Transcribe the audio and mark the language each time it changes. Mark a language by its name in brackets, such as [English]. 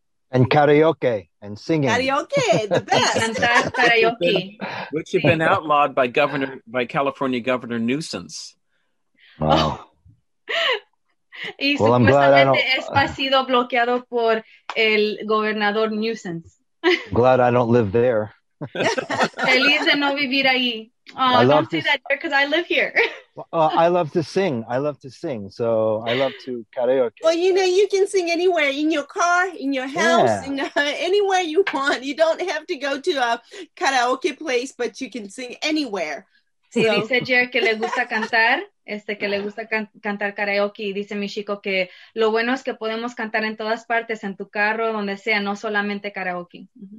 [English] And karaoke and singing. Karaoke, the best. [Spanish] Cantar karaoke. [English] Which have been outlawed by California Governor Nuisance. Wow. [Spanish] Y well, supuestamente ESPA ha sido bloqueado por el gobernador Nuisance. [English] Glad I don't live there. [Spanish] Feliz de no vivir ahí. [English] Oh, I love don't say that because I live here. I love to sing. I love to sing. So I love to karaoke. Well, you know, you can sing anywhere, in your car, in your house, anywhere you want. You don't have to go to a karaoke place, but you can sing anywhere. [Spanish] Sí, dice Jer que le gusta cantar, que le gusta cantar karaoke. Dice mi chico que lo bueno es que podemos cantar en todas partes, en tu carro, donde sea, no solamente karaoke.